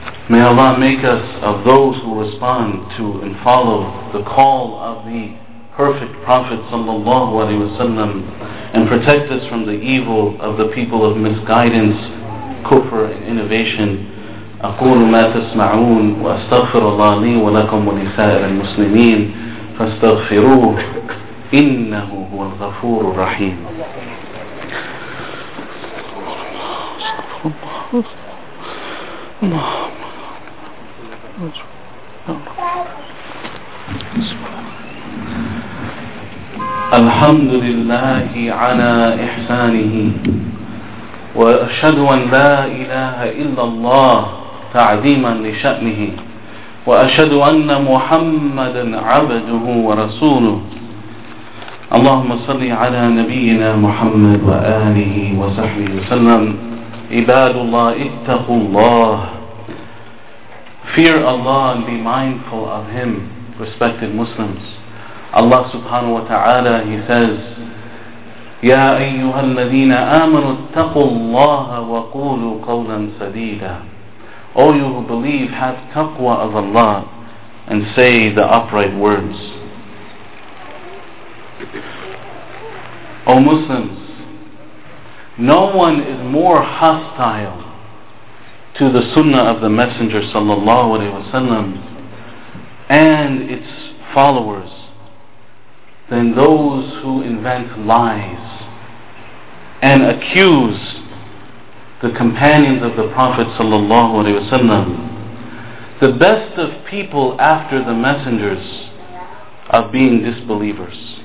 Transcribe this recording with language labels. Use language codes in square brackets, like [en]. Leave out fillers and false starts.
[en] May Allah make us of those who respond to and follow the call of the perfect Prophet sallallahu alaihi wasallam, and protect us from the evil of the people of misguidance, kufr, and innovation. [ar] أقول ما تسمعون وأستغفر الله لي ولكم ولسائر المسلمين فاستغفروه إنه هو الغفور الرحيم. الحمد لله على إحسانه وأشهد أن لا إله إلا الله تعظيما لشأنه وأشهد أن محمدا عبده ورسوله. اللهم صل على نبينا محمد وآله وصحبه وسلم. عباد الله اتقوا الله. [en] Fear Allah and be mindful of Him, respected Muslims. Allah subhanahu wa ta'ala, He says, [ar] يا أيها الذين آمنوا اتقوا الله وقولوا قولا سديدا [en] O you who believe, have taqwa of Allah and say the upright words. O Muslims, no one is more hostile to the sunnah of the Messenger sallallahu alayhi wa sallam and its followers than those who invent lies and accuse the companions of the Prophet sallallahu alayhi wa sallam, the best of people after the messengers, of being disbelievers,